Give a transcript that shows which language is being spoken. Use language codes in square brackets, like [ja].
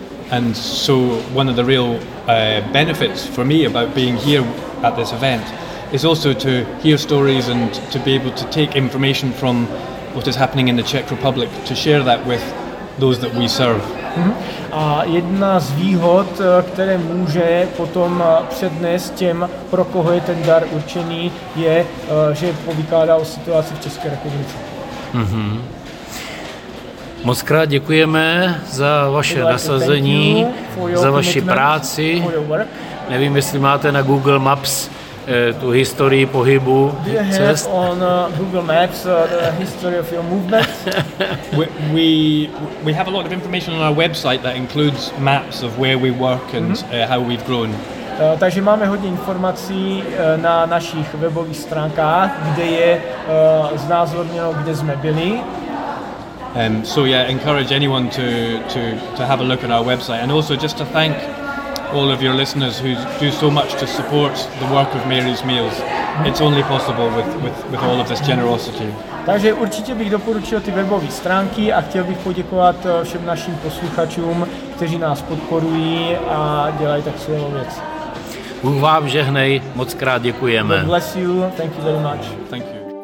[en] And so one of the real benefits for me about being here at this event is also to hear stories and to be able to take information from what is happening in the Czech Republic to share that with those that we serve. [cs] A jedna z výhod, které může potom přednést těm, pro koho je ten dar určený, je, že povykládá o situaci v České republice. Mm-hmm. Moc krát děkujeme za vaše nasazení, za vaši práci. Nevím, jestli máte na Google Maps tu historii pohybu. [en] Do you have on Google Maps the history of your movement? We have a lot of information on our website that includes maps of where we work and how we've grown. [cs] Takže máme hodně informací na našich webových stránkách, kde je znázorněno, kde jsme byli. [en] So yeah, encourage anyone to have a look at our website, and also just to thank all of your listeners who do so much to support the work of Mary's Meals. It's only possible with all of this generosity. [cs] Takže určitě bych doporučil ty webové stránky a chtěl bych poděkovat všem našim posluchačům, kteří nás podporují a dělají tak svou věc. Bůh vám žehnej, moc krát děkujeme. [en] God bless you, thank you very much. Thank you.